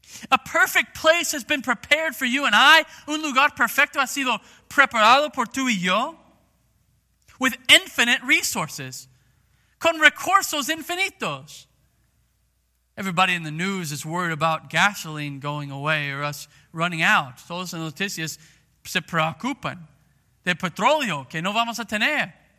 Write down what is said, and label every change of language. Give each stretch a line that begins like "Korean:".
English: A perfect place has been prepared for you and I.
Spanish: Un lugar perfecto ha sido preparado por tú y yo.
English: With infinite resources.
Spanish: Con recursos infinitos.
English: Everybody in the news is worried about gasoline going away or us running out.
Spanish: Todos en noticias se preocupan de petróleo que no vamos a tener.